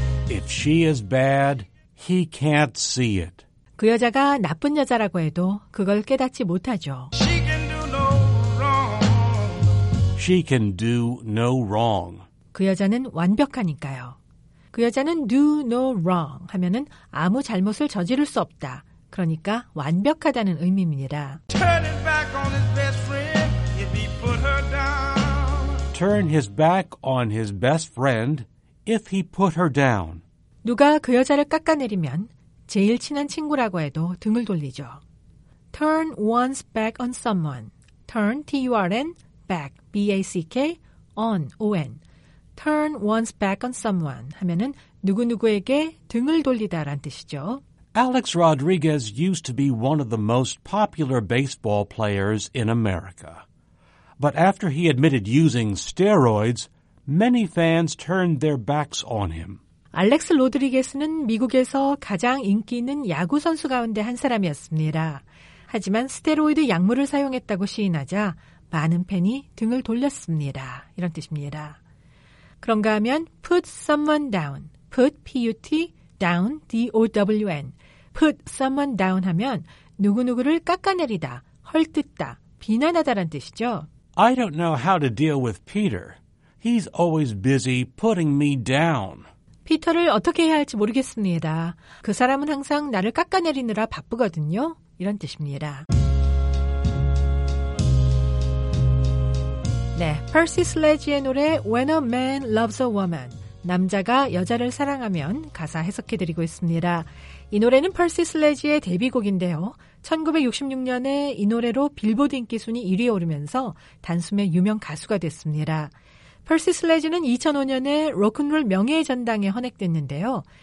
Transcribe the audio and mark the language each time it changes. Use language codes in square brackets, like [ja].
[en] If she is bad, he can't see it. [ko] 그 여자가 나쁜 여자라고 해도 그걸 깨닫지 못하죠. [en] She can do no wrong. She can do no wrong. [ko] 그 여자는 완벽하니까요. 그 여자는 [en] do no wrong [ko] 하면은 아무 잘못을 저지를 수 없다. 그러니까 완벽하다는 의미입니다. [en] Turning back on his best friend if he put her down. Turn his back on his best friend. If he put her down. [ko] 누가 그 여자를 깎아내리면 제일 친한 친구라고 해도 등을 돌리죠. [en] Turn one's back on someone. Turn, T-U-R-N, back, B-A-C-K, on, O-N. Turn one's back on someone [ko] 하면은 누구누구에게 등을 돌리다란 뜻이죠. [en] Alex Rodriguez used to be one of the most popular baseball players in America. But after he admitted using steroids, Many fans turned their backs on him. [ko] 알렉스 로드리게스는 미국에서 가장 인기 있는 야구 선수 가운데 한 사람이었습니다. 하지만 스테로이드 약물을 사용했다고 시인하자 많은 팬이 등을 돌렸습니다. 이런 뜻입니다. 그런가 하면 [en] put someone down. put, P-U-T, down, D-O-W-N. put someone down [ko] 하면 누구누구를 깎아내리다, 헐뜯다, 비난하다란 뜻이죠. [en] I don't know how to deal with Peter. He's always busy putting me down. [ko] 피터를 어떻게 해야 할지 모르겠습니다. 그 사람은 항상 나를 깎아내리느라 바쁘거든요. 이런 뜻입니다. 네, Percy Sledge의 노래 When a Man Loves a Woman. 남자가 여자를 사랑하면 가사 해석해드리고 있습니다. 이 노래는 퍼시 슬레지의 데뷔곡인데요. 1966년에 이 노래로 빌보드 인기 순위 1위에 오르면서 단숨에 유명 가수가 됐습니다. 퍼시 슬레지는 2005년에 로큰롤 명예의 전당에 헌액됐는데요.